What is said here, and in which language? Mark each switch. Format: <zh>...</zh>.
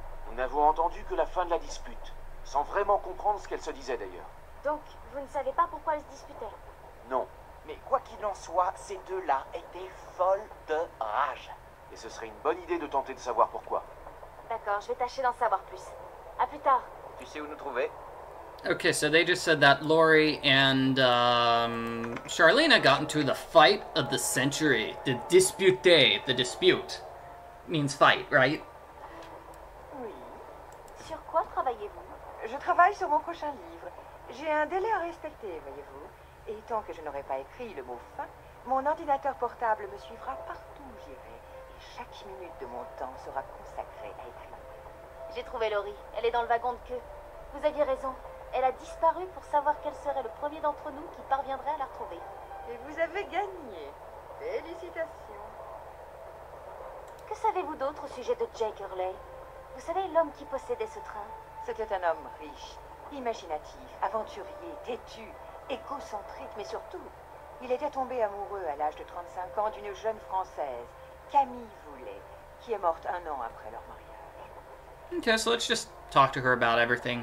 <fr>Nous n'avons entendu que la fin de la dispute, sans vraiment comprendre ce qu'elles se disaient d'ailleurs. Donc, vous ne savez pas pourquoi elles se disputaient? Non. Mais quoi qu'il en soit, ces deux-là étaient folles de rage. Et ce serait une bonne idée de tenter de savoir pourquoi. D'accord, je vais tâcher d'en savoir plus. À plus tard. Tu sais où nous trouver?</fr> <en>Okay, so they just said that Laurie and Charlena got into the fight of the century. The dispute. The dispute means fight, right?</en> <fr>Oui. Sur quoi travaillez-vous? Je travaille sur mon prochain livre. J'ai un délai à respecter, voyez-vous. Et tant que je n'aurai pas écrit le mot fin, mon ordinateur portable me suivra partout où j'irai. Et chaque minute de mon temps sera consacrée à écrire. J'ai trouvé Laurie. Elle est dans le wagon de queue. Vous aviez raison. Elle a disparu pour savoir quel serait le premier d'entre nous qui parviendrait à la retrouver. Et vous avez gagné. Félicitations. Que savez-vous d'autre au sujet de Jake Hurley? Vous savez, l'homme qui possédait ce train? C'était un homme riche, imaginatif, aventurier, têtu, égocentrique, mais surtout, il était tombé amoureux à l'âge de 35 ans d'une jeune Française, Camille Voulet, qui est morte un an après leur mariage.</fr> <en>Okay, so let's just talk to her about everything.</en>